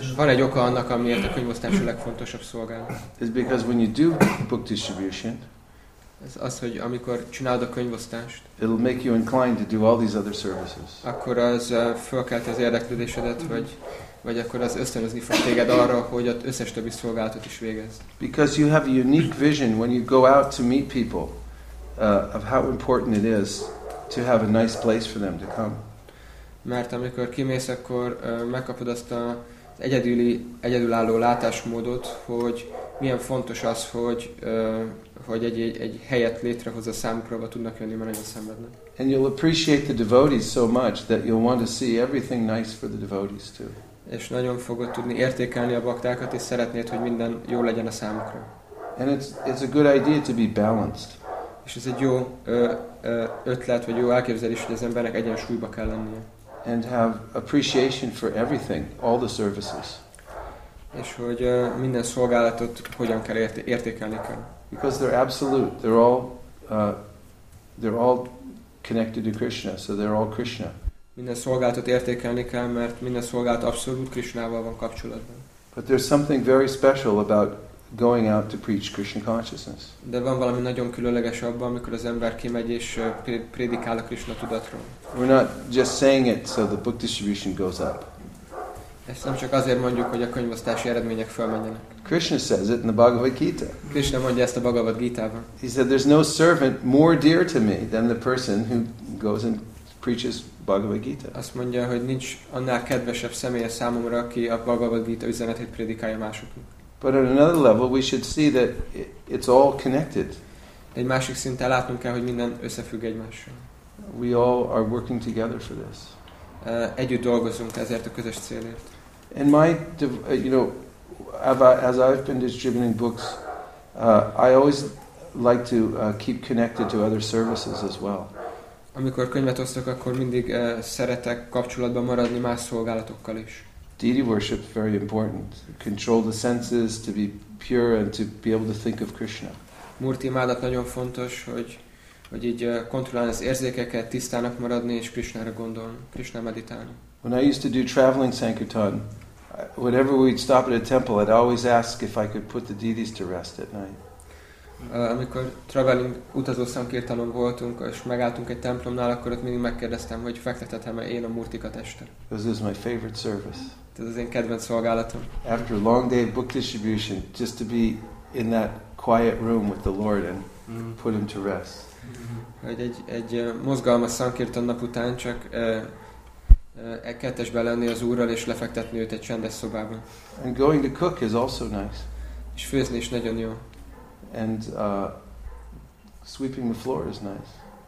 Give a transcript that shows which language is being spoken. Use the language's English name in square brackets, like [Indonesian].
[Hungarian] Van egy oka annak, amiért a könyvosztás a legfontosabb szolgálat. [English] Is because when you do book distribution. [Hungarian] Ez az, hogy amikor csinálod a könyvosztást, [English] it'll make you inclined to do all these other services. [Hungarian] Akkor az fölkelt az érdeklődésedet, vagy akkor az ösztönözni fog téged arra, hogy az összes többi szolgálatot is végezd. [English] Because you have a unique vision when you go out to meet people of how important it is to have a nice place for them to come. [Hungarian] Mert amikor kimész, akkor megkapod azt az egyedülálló látásmódot, hogy milyen fontos az, hogy, hogy egy helyet létrehoz a számukra, tudnak jönni, mert nagyon szenvednek. [English] And you'll appreciate the devotees so much that you'll want to see everything nice for the devotees too. [Hungarian] És nagyon fogod tudni értékelni a baktákat, és szeretnéd, hogy minden jó legyen a számukra. [English] And it's a good idea to be balanced. [Hungarian] És ez egy jó ötlet, vagy jó elképzelés, hogy az embernek egyensúlyba kell lennie. [English] And have appreciation for everything, all the services. [Hungarian] És hogy minden szolgálatot hogyan kell értékelni kell. [English] Because they're absolute, they're all connected to Krishna, so they're all Krishna. [Hungarian] Minden szolgálatot értékelni kell, mert minden szolgálat abszolút Krishnával van kapcsolatban. [English] But there's something very special about going out to preach Krishna consciousness. [Hungarian] De van valami nagyon különleges abban, amikor az ember kimegy és prédikál a Krishna tudatról. [English] We're not just saying it so the book distribution goes up. [Hungarian] Ezt nem csak azért mondjuk, hogy a könyvosztási eredmények fölmenjenek. [English] Krishna says it in the Bhagavad Gita. [Hungarian] Krishna mondja ezt a Bhagavad Gita-ban. [English] He said there's no servant more dear to me than the person who goes and preaches Bhagavad Gita. [Hungarian] Azt mondja, hogy nincs annál kedvesebb személy a számomra, aki a Bhagavad Gita üzenetét prédikálja másoknak. [English] But at another level we should see that it's all connected. [Hungarian] Egy másik szinten látnunk kell, hogy minden összefügg egymással. [English] We all are working together for this. [Hungarian] Együtt dolgozunk ezért a közös célért. [English] And my, you know, as I've been distributing books, I always like to keep connected to other services as well. [Hungarian] Amikor könyvet osztok, akkor mindig szeretek kapcsolatban maradni más szolgálatokkal is. [English] Deity worship is very important. Control the senses to be pure and to be able to think of Krishna. [Hungarian] Murti imádat nagyon fontos, hogy így kontrollálni az érzékeket, tisztának maradni és Krishnára gondolni, Krishna meditálni. [English] When I used to do traveling sankirtan, whenever we'd stop at a temple, I'd always ask if I could put the deities to rest at night. [Hungarian] Amikor traveling utazó szankirtanon voltunk és megálltunk egy templomnál, akkor ott mindig megkérdeztem, hogy fektethetem-e én a murtikat este. [English] This is my favorite service. [Hungarian] Ez az én kedvenc szolgálatom. [English] After a long day of book distribution, just to be in that quiet room with the Lord and put him to rest. [Hungarian] Hogy egy mozgalmas szankirtan nap után csak kettesbe lenni az Úrral és lefektetni őt egy csendes szobában. [English] And going to cook is also nice. [Hungarian] És főzni is nagyon jó. [English] And sweeping the floor is nice.